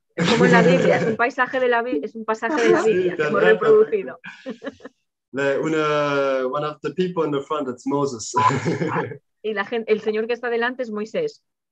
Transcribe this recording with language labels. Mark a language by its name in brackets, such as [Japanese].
[Spanish] Es como en la Biblia, es un pasaje de la Biblia, como reproducido. [English] One of the people in the front, it's Moses. [Spanish] Y el señor que está delante es Moisés.